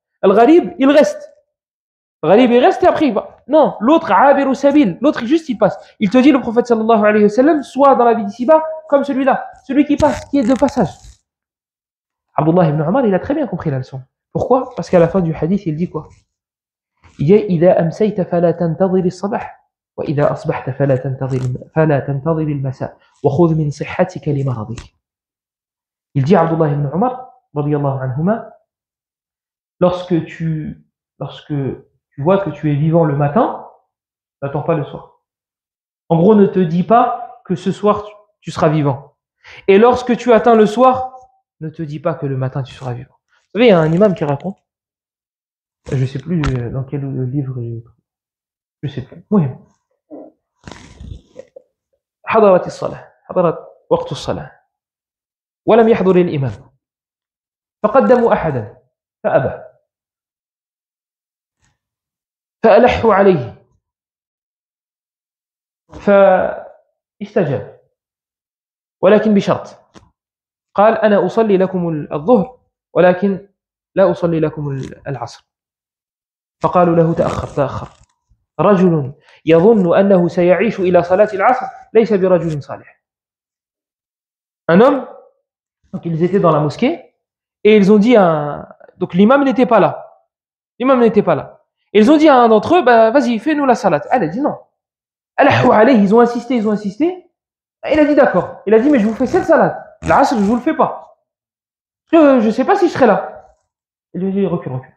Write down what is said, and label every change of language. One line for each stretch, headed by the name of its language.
French: Le gharib, il reste. Le gharib, il reste et après, il va. Non, l'autre,
Arabic: abir ou sabil.
French: L'autre, juste, il passe. Il te dit, le prophète
Arabic: sallallahu alayhi wa sallam,
French: soit dans la vie d'ici-bas, comme celui-là. Celui qui passe, qui est de passage. Abdullah ibn Omar, il a très bien compris la leçon. Pourquoi ? Parce qu'à la fin du hadith, il dit quoi ?
Arabic: إذا أمسيت فلا تنتظر الصباح وإذا أصبحت فلا تنتظر فلا تنتظر المساء وخذ من صحتك لمرضك.
French: Il dit Abdullah ibn Omar
Arabic: رضي الله عنهما,
French: lorsque tu vois que tu es vivant le matin, n'attends pas le soir. En gros, ne te dis pas que ce soir tu seras vivant. Et lorsque tu atteins le soir, ne te dis pas que le matin tu seras vivant. Vous savez, il y a un imam qui raconte. Je ne sais plus dans quel livre je ne sais plus. Oui.
Arabic: حضرت الصلاة حضرت وقت الصلاة ولم يحضر الإمام فقدموا أحدا فأبى فألحوا عليه فاستجاب ولكن بشرط قال أنا أصلي لكم الظهر ولكن لا أصلي لكم العصر فقالوا له تأخر تأخر رجل يظن أنه سيعيش إلى صلاة العصر ليس برجل صالح.
French: Un homme, donc ils étaient dans la mosquée et ils ont dit à un, donc l'imam n'était pas là, ils ont dit à un d'entre eux, bah vas-y fais-nous la salat. Elle a dit non. Ils ont insisté. Il a dit d'accord. Il a dit mais je vous fais cette salat. L'asr je vous le fais pas. Je sais pas si je serai là. Il lui a dit recule.